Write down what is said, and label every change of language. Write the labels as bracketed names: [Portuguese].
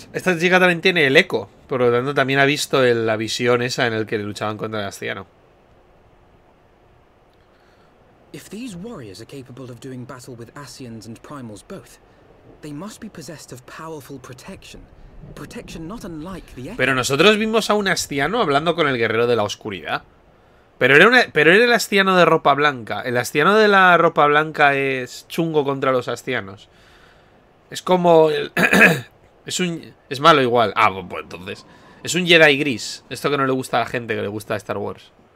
[Spanish] Esta chica también tiene el eco, por lo tanto también ha visto la visión esa en la que luchaban contra el anciano. [English] If these warriors are capable of doing battle with Asians and primals both, they must be possessed of powerful protection. Protection not unlike the. [Spanish] Pero nosotros vimos a un anciano hablando con el guerrero de la oscuridad. Pero era el anciano de ropa blanca. El anciano de la ropa blanca es chungo contra los ancianos. Es como el es malo igual. Ah, pues entonces es un Jedi gris. Esto que no le gusta a la gente que le gusta a Star Wars.